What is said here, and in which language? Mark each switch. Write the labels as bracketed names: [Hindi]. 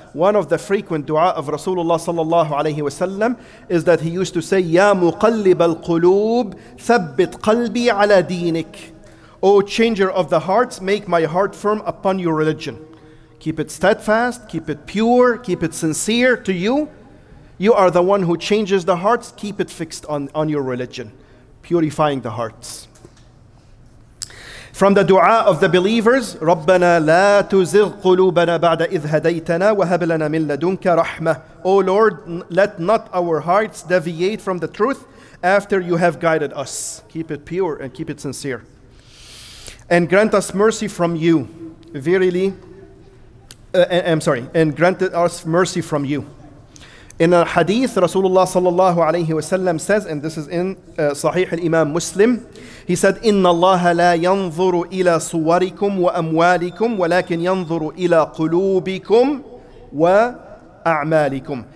[English] One of the frequent dua of Rasulullah sallallahu alayhi wasallam is that he used to say, Ya muqallib al-qulub, thabbit qalbi ala deenik. O changer of the hearts, make my heart firm upon your religion. Keep it steadfast, keep it pure, keep it sincere to you. You are the one who changes the hearts, keep it fixed on your religion. Purifying the hearts. From the dua of the believers, [Arabic] رَبَّنَا لَا تُزِغْ قُلُوبَنَا بَعْدَ إِذْ هَدَيْتَنَا وَهَبْ لَنَا مِنْ لَدُنْكَ رَحْمَةً. [English] O Lord, let not our hearts deviate from the truth after you have guided us. Keep it pure and keep it sincere. And grant us mercy from you, verily. And grant us mercy from you. In a hadith, Rasulullah sallallahu alayhi wa sallam says, and this is in Sahih al-Imam Muslim, he said, [Arabic] إِنَّ اللَّهَ لَا يَنْظُرُ إِلَىٰ صُوَرِكُمْ وَأَمْوَالِكُمْ وَلَكِنْ يَنْظُرُ إِلَىٰ قُلُوبِكُمْ وَأَعْمَالِكُمْ.